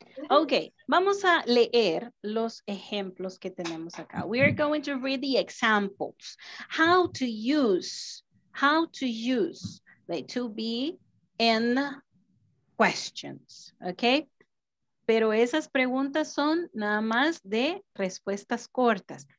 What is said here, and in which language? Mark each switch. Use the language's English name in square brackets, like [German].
[Spanish] Okay, vamos a leer los ejemplos que tenemos acá. [English] We are going to read the examples. How to use the to be in questions, okay? [Spanish] Pero esas preguntas son nada más de respuestas cortas.